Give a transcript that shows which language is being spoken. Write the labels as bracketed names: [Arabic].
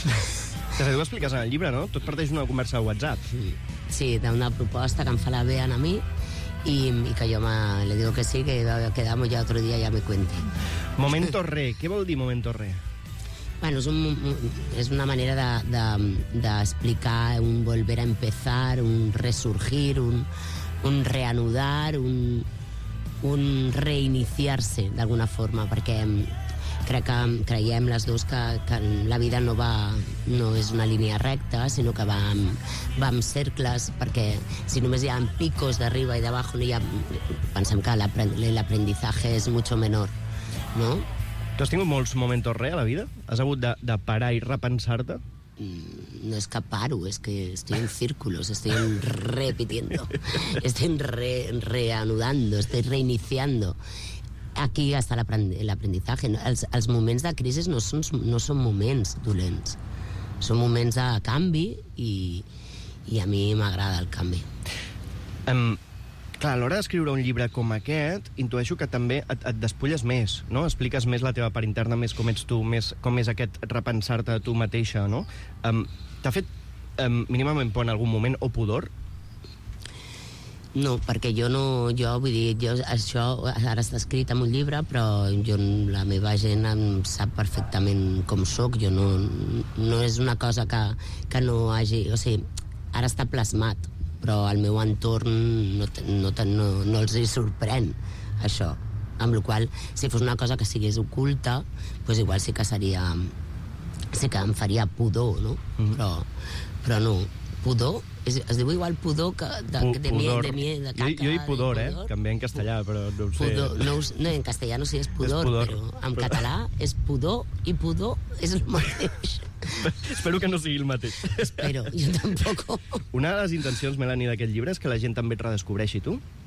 [Catalan] De fet, ho expliques en el llibre, no? Tot parteix d'una conversa de WhatsApp. Sí, d'una proposta que em fa la Bea a mi i que jo [Spanish] le digo que sí, que quedamos ya otro día y ya me cuente. [Catalan] Momento re. Què vol dir momento re? Bueno, és una manera d'explicar un [Spanish] volver a empezar, [Catalan] un resurgir, un reanudar, un reiniciar-se d'alguna forma, perquè... Crec que creiem les dues que la vida no és una línia recta, sinó que va en cercles, perquè si només hi ha picos d'arriba i d'abajo, pensem que l'aprendizatge és [Spanish] mucho menor, [Catalan] no? Tu has tingut molts momentos re a la vida? Has hagut de parar i repensar-te? No és que paro, [Spanish] és que estoy en círculos, estoy repitiendo, estoy reanudando, estoy reiniciando. [Catalan] Aquí està l'aprenentatge. Els moments de crisi no són moments dolents. Són moments de canvi i a mi m'agrada el canvi. Clar, a l'hora d'escriure un llibre com aquest, intueixo que també et despulles més, no? Expliques més la teva part interna, més com ets tu, més com és aquest repensar-te a tu mateixa, no? T'ha fet mínimament por en algun moment o pudor? No, perquè això ara està escrit en un llibre, però jo, la meva gent em sap perfectament com sóc. Jo no és una cosa que no hagi... O sigui, ara està plasmat, però al meu entorn no els hi sorprèn, això. Amb la qual cosa, si fos una cosa que sigués oculta, pues igual sí que seria... Sí que em faria pudor, no? Mm-hmm. Però no. Pudor? Es diu igual pudor que de miedo, de caca. Jo hi pudor, que em ve en castellà, però no ho sé. Pudor, no, en castellà no sé si és pudor, és pudor, però en català és pudor i pudor és el mateix. Espero que no sigui el mateix. Espero, jo tampoc. Una de les intencions, Melanie, d'aquest llibre és que la gent també et redescobreixi, tu?